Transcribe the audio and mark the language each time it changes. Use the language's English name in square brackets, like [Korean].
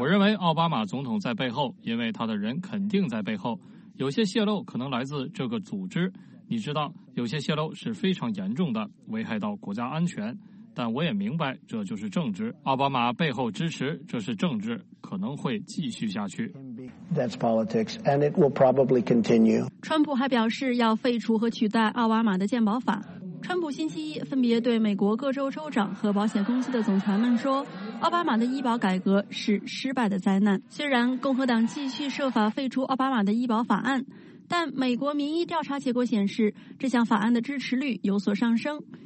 [Chinese] 我认为奥巴马总统在背后，因为他的人肯定在背后。有些泄漏可能来自这个组织。你知道，有些泄漏是非常严重的，危害到国家安全。但我也明白，这就是政治。奥巴马背后支持，这是政治，可能会继续下去。 [English] That's politics, and it will probably continue. [Chinese] 川普还表示要废除和取代奥巴马的健保法。川普星期一分别对美国各州州长和保险公司的总裁们说，奥巴马的医保改革是失败的灾难。虽然共和党继续设法废除奥巴马的医保法案，但美国民意调查结果显示，这项法案的支持率有所上升。